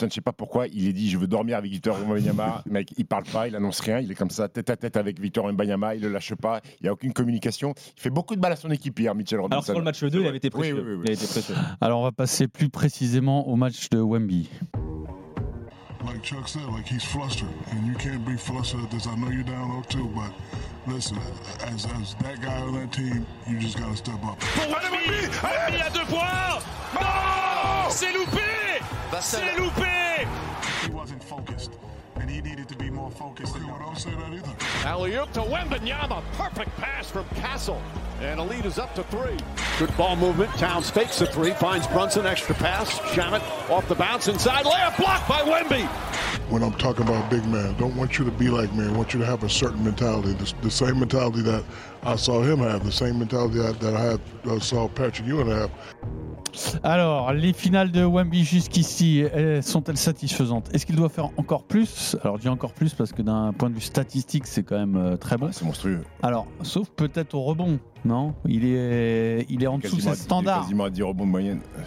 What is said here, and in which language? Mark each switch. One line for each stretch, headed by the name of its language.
French: Je ne sais pas pourquoi, il est dit « je veux dormir avec Victor Wembanyama ». Mec, il ne parle pas, il n'annonce rien. Il est comme ça, tête à tête avec Victor Wembanyama. Il ne le lâche pas, il n'y a aucune communication. Il fait beaucoup de mal à son équipe hier, Mitchell Robinson. Alors, sur le match 2, il avait été précieux. Oui. Il avait été précieux. Alors, on va passer plus précisément au match de Wemby.
English: Like Chuck said, like he's flustered, and you can't be flustered at this. I know you're down 0-2, but listen, as that guy on that team, you just gotta step up.
French: Wemby à deux points. Non, c'est loupé. C'est loupé.
English: He wasn't focused, and he needed to be more focused. You don't say that either. Alley-oop to Wembanyama. Perfect pass from Castle, and a lead is up to 3. Good ball movement. Towns fakes a 3, finds Brunson, extra pass. Shamet off the bounce inside, layup blocked by Wemby. When I'm talking about big man, I don't want you to be like me. I want you to have a certain mentality, the same mentality that I saw him have, the same mentality that I saw Patrick Ewing have.
French: Alors, les finales de Wemby jusqu'ici, sont-elles satisfaisantes? Est-ce qu'il doit faire encore plus? Alors, je dis encore plus parce que d'un point de vue statistique, c'est quand même très bon. Ouais, c'est monstrueux. Alors, sauf peut-être au rebond, non? Il est en dessous de ses standards. Quasiment à 10 rebonds de moyenne.